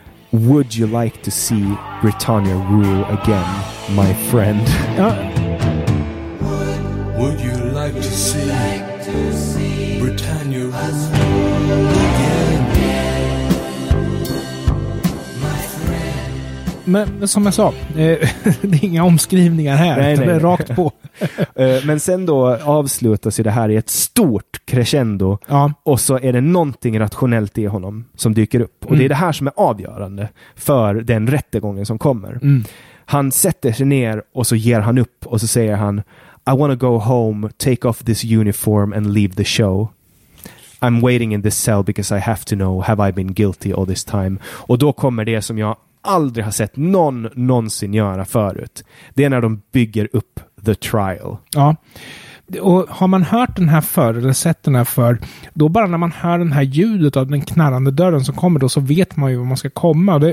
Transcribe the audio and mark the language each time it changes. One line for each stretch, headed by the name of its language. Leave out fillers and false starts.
English: Would you like to see Britannia rule again, my friend? Would you like to see Britannia rule again, my friend?
Swedish: Men som jag sa, det är inga omskrivningar här. Nej. Det är rakt på. Men sen då avslutas ju det här i ett stort crescendo. Ja. Och så är det någonting rationellt i honom som dyker upp. Och det är det här som är avgörande för den rättegången som kommer. Mm. Han sätter sig ner och så ger han upp och så säger han
English: I wanna go home, take off this uniform and leave the show. I'm waiting in this cell because I have to know, have I been guilty all this time?
Swedish: Och då kommer det som jag aldrig har sett någon någonsin göra förut. Det är när de bygger upp the trial. Ja. Och har man hört den här förr eller sett den här förr, då bara när man hör den här ljudet av den knarrande dörren som kommer, då så vet man ju var man ska komma.